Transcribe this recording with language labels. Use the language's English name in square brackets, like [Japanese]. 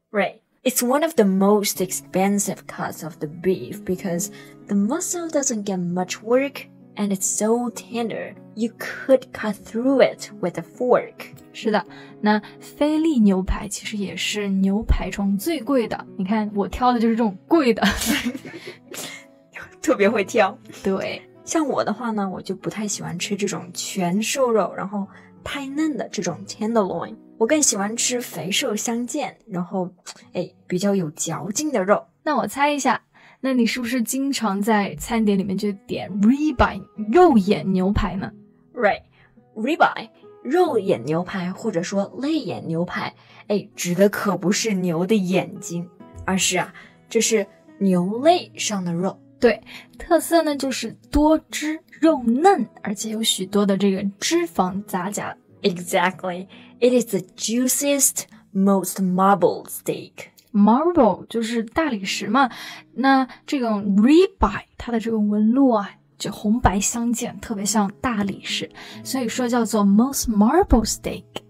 [English] Right, it's one of the most expensive cuts of the beef because the muscle doesn't get much work and it's so tender. You could cut through it with a fork. [Chinese] 是的，那菲力牛排其实也是牛排中最贵的。你看，我挑的就是这种贵的，特别会挑。对，像我的话呢，我就不太喜欢吃这种全瘦肉，然后太嫩的这种 tenderloin。我更喜欢吃肥瘦相间，然后比较有嚼劲的肉。那我猜一下，那你是不是经常在餐点里面就点 ribeye 肉眼牛排呢 [English] ？Right, ribeye. [Chinese] 肉眼牛排或者说肋眼牛排，指的可不是牛的眼睛，而是啊，这是牛肋上的肉。对，特色呢就是多汁、肉嫩，而且有许多的这个脂肪杂甲。 [English] Exactly, it is the juiciest, most marbled steak. [Chinese] Marble 就是大理石嘛，那这种 ribeye 它的这个纹路啊。就红白相间，特别像大理石，所以说叫做 [English] most marbled steak.